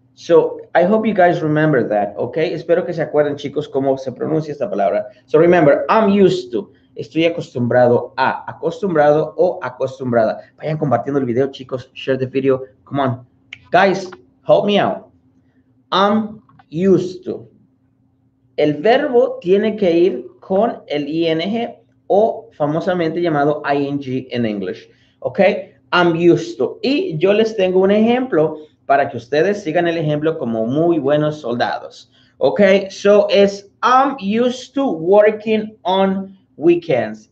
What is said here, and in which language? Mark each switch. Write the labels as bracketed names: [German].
[English] So, I hope you guys remember that, okay? [Spanish] Espero que se acuerden, chicos, cómo se pronuncia esta palabra. [English] So, remember, I'm used to. [Spanish] Estoy acostumbrado a. Acostumbrado o acostumbrada. Vayan compartiendo el video, chicos. [English] Share the video. Come on. Guys, help me out. I'm used to. [Spanish] el verbo tiene que ir con el ing o famosamente llamado ing en inglés. ¿Ok? [English] I'm used to. [Spanish] Y yo les tengo un ejemplo para que ustedes sigan el ejemplo como muy buenos soldados. ¿Ok? [English] So, es I'm used to working on weekends.